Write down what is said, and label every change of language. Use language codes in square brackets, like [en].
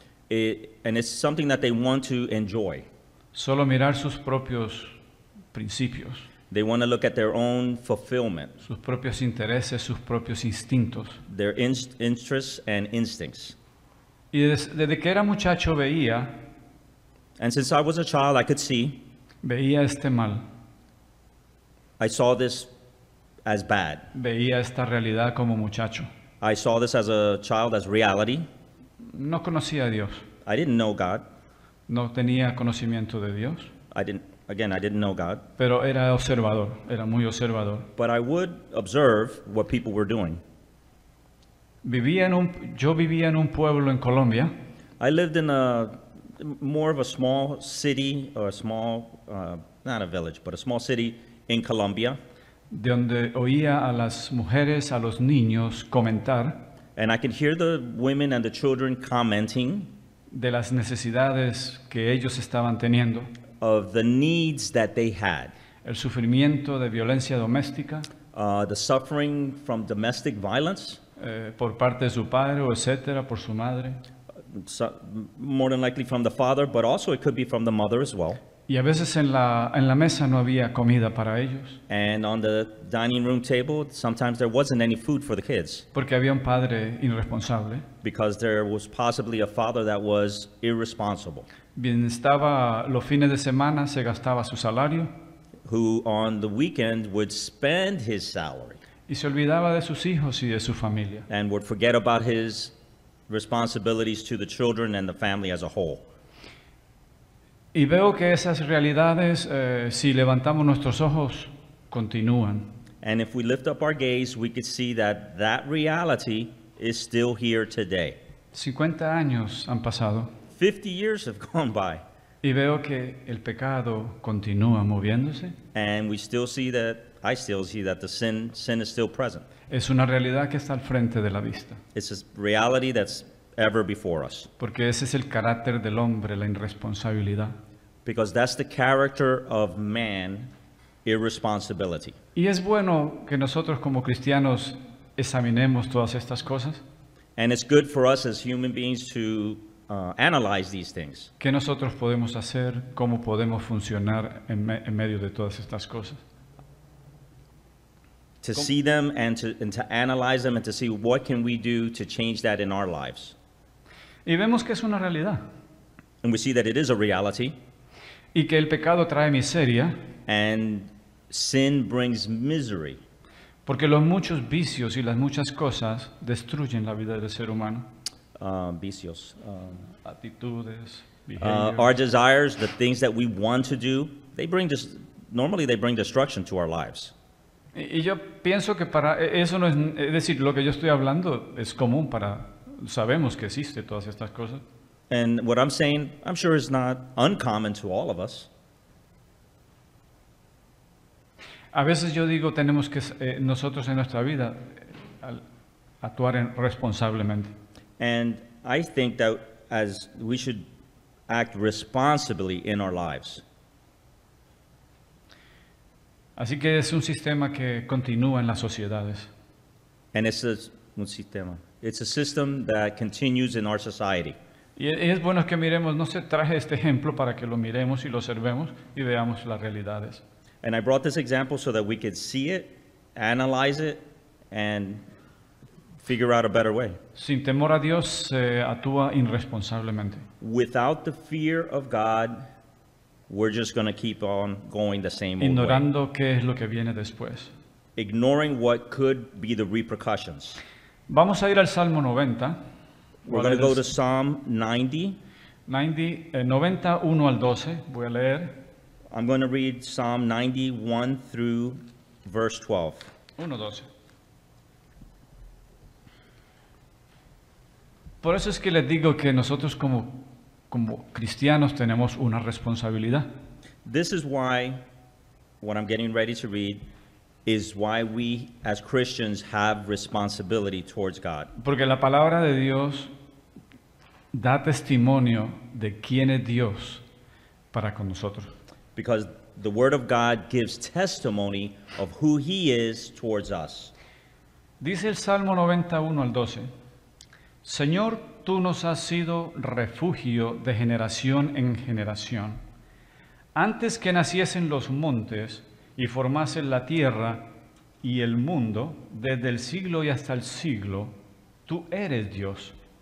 [en] And it's something that they want to enjoy. [es] Solo mirar sus propios principios. [en] They want to look at their own fulfillment. [es] Sus propios intereses, sus propios instintos. [en] Their interests and instincts. [es] Y desde que era muchacho veía. [en] And since I was a child, I could see. [es] Veía este mal. [en] I saw this as bad. [es] Veía esta realidad como muchacho. [en] I saw this as a child, as reality. [es] No conocía a Dios. [en] I didn't know God. [es] No tenía conocimiento de Dios. [en] I didn't know God. [es] Pero era observador, era muy observador. [en] But I would observe what people were doing. [es] Yo vivía en un pueblo en Colombia. [en] I lived in a more of a small city or a small not a village, but a small city in Colombia. [es] De donde oía a las mujeres, a los niños comentar. [en] And I could hear the women and the children commenting [es] de las necesidades que ellos estaban teniendo. [en] Of the needs that they had. [es] El sufrimiento de violencia doméstica. [en] The suffering from domestic violence. [es] Por parte de su padre o etcétera, por su madre. [en] So, more than likely from the father, but also it could be from the mother as well. [es] Y a veces en la mesa no había comida para ellos. [en] And on the dining room table, sometimes there wasn't any food for the kids. [es] Porque había un padre irresponsable. [en] Because there was possibly a father that was irresponsible. [es] Bien estaba los fines de semana, se gastaba su salario. [en] Who on the weekend would spend his salary. [es] Y se olvidaba de sus hijos y de su familia. [en] And would forget about his responsibilities to the children and the family as a whole. [es] Y veo que esas realidades, si levantamos nuestros ojos, continúan. [en] And if we lift up our gaze, we could see that reality is still here today. [es] 50 años han pasado. [en] 50 years have gone by. [es] Y veo que el pecado continúa moviéndose. [en] And I still see that the sin is still present. [es] Es una realidad que está al frente de la vista. [en] It's a reality that's ever before us. [es] Porque ese es el carácter del hombre, la irresponsabilidad. [en] Because that's the character of man, irresponsibility. [es] Y es bueno que nosotros como cristianos examinemos todas estas cosas. [en] And it's good for us as human beings to analyze these things. [es] ¿Qué nosotros podemos hacer? ¿Cómo podemos funcionar en medio de todas estas cosas? [en] To see them and to analyze them and to see what can we do to change that in our lives. [es] Y vemos que es una realidad. [en] And we see that it is a reality. [es] Y que el pecado trae miseria. [en] And sin brings misery. [es] Porque los muchos vicios y las muchas cosas destruyen la vida del ser humano. Vicios. Actitudes. [en] Our desires, the things that we want to do, they bring destruction to our lives. [es] Y yo pienso que para eso no es, es decir, lo que yo estoy hablando es común para, sabemos que existe todas estas cosas. [en] And what I'm saying, I'm sure is not uncommon to all of us. [es] A veces yo digo, tenemos que nosotros en nuestra vida actuar responsablemente. [en] And I think that as we should act responsibly in our lives. [es] Así que es un sistema que continúa en las sociedades. [en] And it's [es] un sistema. [en] It's a system that continues in our society. [es] Y es bueno que miremos, no se traje este ejemplo para que lo miremos y lo observemos y veamos las realidades. [en] And I brought this example so that we could see it, analyze it, and figure out a better way. [es] Sin temor a Dios, actúa irresponsablemente. [en] Without the fear of God, we're just going to keep on going the same [es] ignorando [en] old way. [es] Qué es lo que viene después. [en] Ignoring what could be the repercussions. [es] Vamos a ir al Salmo 90. [en] We're going to go to Psalm 90. [es] 91 al 12. Voy a leer. [en] I'm going to read Psalm 91 through verse 12. 1-12. [es] Por eso es que les digo que nosotros como cristianos tenemos una responsabilidad. [en] This is why what I'm getting ready to read is why we as Christians have responsibility towards God. [es] Porque la palabra de Dios da testimonio de quién es Dios para con nosotros. [en] Because the word of God gives testimony of who he is towards us. [es] Dice el Salmo 91 al 12. Señor, tú nos has sido refugio de generación en generación. Antes que naciesen los montes y formasen la tierra y el mundo, desde el siglo y hasta el siglo, tú eres Dios.